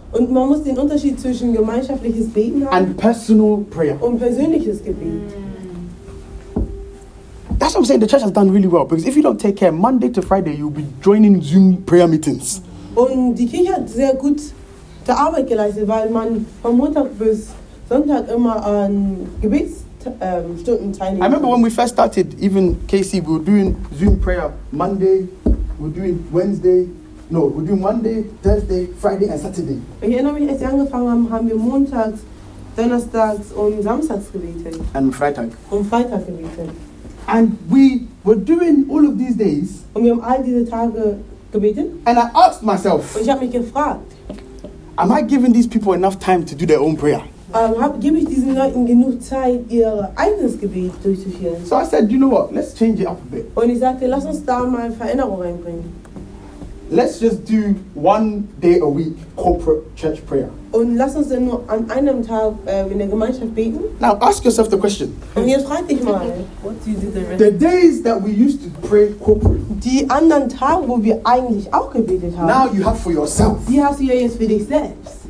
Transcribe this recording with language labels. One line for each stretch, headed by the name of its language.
German: Und man muss den Unterschied zwischen gemeinschaftliches Beten haben
English: and personal prayer.
German: Und persönliches Gebet.
English: That's what I'm saying. The church has done really well because if you don't take care, Monday to Friday, you'll be joining Zoom prayer meetings.
German: Und die Kirche hat sehr gut die Arbeit geleistet, weil man von Montag bis Sonntag immer an Gebetsstunden teilnimmt.
English: I remember when we first started, even Casey, we were doing Zoom prayer Monday, we're doing Monday, Thursday, Friday and Saturday.
German: Ich erinnere mich, als wir angefangen haben, haben wir montags, donnerstags und samstags gebetet.
English: And Freitag.
German: Und Freitag gebetet.
English: And we were doing all of these days.
German: Und wir haben all diese Tage gebeten.
English: And I asked myself.
German: Und ich habe mich gefragt.
English: Am I giving these people enough time to do their own prayer?
German: Gebe ich diesen Leuten genug Zeit, ihr eigenes Gebet durchzuführen?
English: So I said, you know what? Let's change it up a bit.
German: Und ich sagte, lass uns da mal Veränderung reinbringen.
English: Let's just do one day a week corporate church prayer.
German: Und lass uns dann nur an einem Tag in der Gemeinschaft beten.
English: Now ask yourself the question.
German: Und jetzt frag dich mal.
English: What do you do the rest? The days that we used to pray corporate.
German: Die anderen Tage, wo wir eigentlich auch gebetet haben.
English: Now you have for yourself.
German: Die hast du ja jetzt für dich selbst.